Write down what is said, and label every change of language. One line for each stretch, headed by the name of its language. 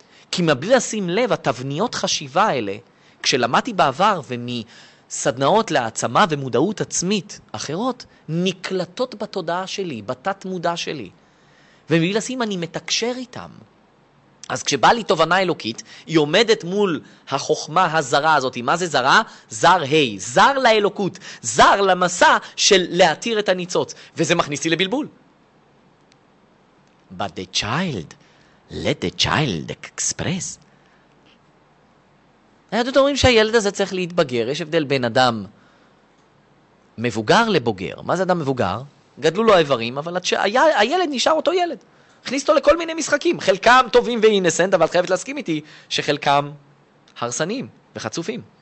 Hebrew: כי מבלי לשים לב, התבניות חשיבה האלה, כשלמדתי בעבר ומסדנאות להעצמה ומודעות עצמית אחרות, נקלטות בתודעה שלי, בתת מודע שלי. ומבלי לשים, אני מתקשר איתם. אז כשבא לי תובנה אלוקית, היא עומדת מול החוכמה הזרה הזאת. מה זה זרה? זר היי, זר לאלוקות, זר למסע של להתיר את הניצוץ. וזה מכניס לי לבלבול.
English: But the child, let the child express.
Hebrew: אתם אומרים שהילד הזה צריך להתבגר, יש הבדל בין אדם מבוגר לבוגר. מה זה אדם מבוגר? גדלו לו האיברים, אבל הילד נשאר אותו ילד. הכניס אותו לכל מיני משחקים, חלקם טובים ואינסנט, אבל את חייבת להסכים איתי שחלקם הרסנים וחצופים.